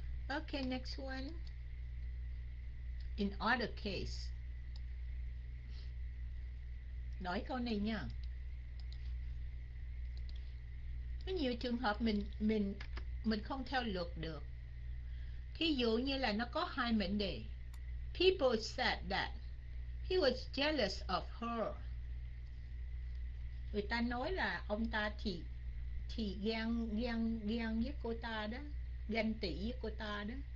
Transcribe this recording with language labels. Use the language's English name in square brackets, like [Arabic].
[English] Okay, next one. In other case. [Vietnamese] Nói câu này nha. Có nhiều trường hợp mình không theo luật được. Ví dụ như là nó có hai mệnh đề. [English] People said that he was jealous of her. [Vietnamese] Người ta nói là ông ta thì ghen ghen ghen với cô ta đó, ghen tị với cô ta đó.